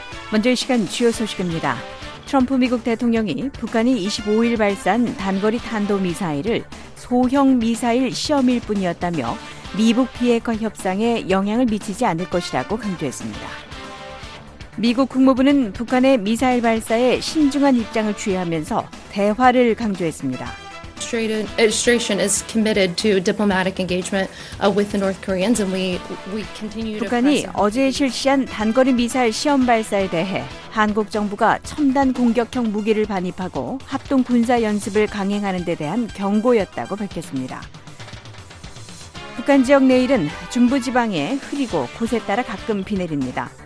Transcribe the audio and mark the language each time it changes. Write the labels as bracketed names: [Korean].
[Korean] 먼저 이 시간 주요 소식입니다. 트럼프 미국 대통령이 북한이 25일 발사한 단거리 탄도미사일을 소형 미사일 시험일 뿐이었다며 미북 비핵화 협상에 영향을 미치지 않을 것이라고 강조했습니다. 미국 국무부는 북한의 미사일 발사에 신중한 입장을 취하면서 대화를 강조했습니다. [English] Administration is committed to diplomatic engagement with the North Koreans, and we continue. [Korean] 북한이 어제 실시한 단거리 미사일 시험 발사에 대해 한국 정부가 첨단 공격형 무기를 반입하고 합동 군사 연습을 강행하는 데 대한 경고였다고 밝혔습니다. 북한 지역 내일은 중부 지방에 흐리고 곳에 따라 가끔 비 내립니다.